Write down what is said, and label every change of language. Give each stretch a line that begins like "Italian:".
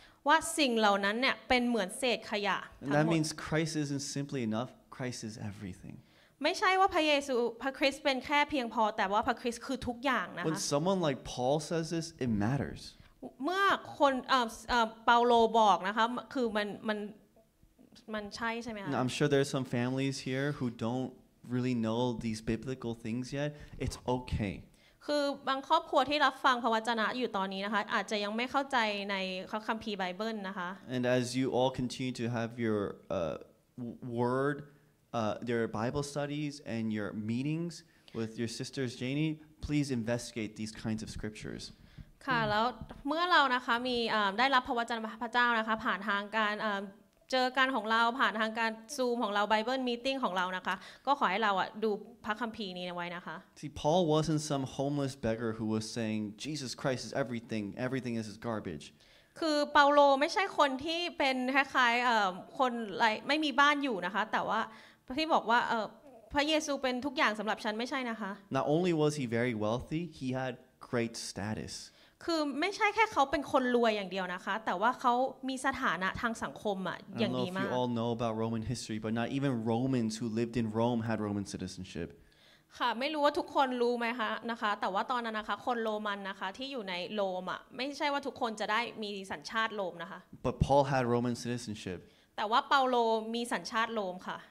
Thai: ว่าสิ่งเหล่านั้นเนี่ยเป็นเหมือนเศษขยะ
English: And that means Christ isn't simply enoughChrist is everything.
Thai: ไม่ใช่ว่าพระเยซูพระคริสต์เป็นแค่เพียงพอแต่ว่าพระคริสต์คือทุกอย่างนะคะ
English: When someone like Paul says this, it matters.
Thai: เมื่อคนเปาโลบอกนะคะคือมันใช่ใช่มั้ยคะ
English: I'm sure there's some families here who don't really know these biblical things yet. It's okay.
Thai: คือบางครอบครัวที่รับฟังพระวจนะอยู่ตอนนี้นะคะอาจจะยังไม่เข้าใจในคัมภีร์ไบเบิลนะคะ
English: And as you all continue to have your wordYour Bible studies and your meetings with your sisters Janie, please investigate these kinds of scriptures.
Thai: ค่ะแล้วเมื่อเรานะคะมีได้รับพระวจนะพระเจ้านะคะผ่านทางการเจอกันของเราผ่านทางการซูมของเรา Bible meeting ของเรานะคะก็ขอให้เราดูพระคัมภีร์นี้ไว้นะคะ
English: See, Paul wasn't some homeless beggar who was saying Jesus Christ is everything. Everything is his garbage.
Thai: คือเปาโลไม่ใช่คนที่เป็นคล้ายๆคนไร้ไม่มีบ้านอยู่นะคะแต่ว่าที่บอกว่าพระเยซูเป็นทุกอย่างสำหรับฉันไม่ใช่นะคะ
English: Not only was he very wealthy, he had great status.
Thai: คือไม่ใช่แค่เขาเป็นคนรวยอย่างเดียวนะคะแต่ว่าเขามีสถานะทางสังคมอ่ะอย่างดีมาก
English: I don't know if you all know about Roman history, but not even Romans who lived in Rome had Roman citizenship.
Thai: ค่ะไม่รู้ว่าทุกคนรู้ไหมคะนะคะแต่ว่าตอนนั้นนะคะคนโรมันนะคะที่อยู่ในโรมอ่ะไม่ใช่ว่าทุกคนจะได้มีสัญชาติโรมนะคะ
English: But Paul had Roman citizenship
Thai: แต่ว่าเปาโลมีสัญชาติโรมค่ะ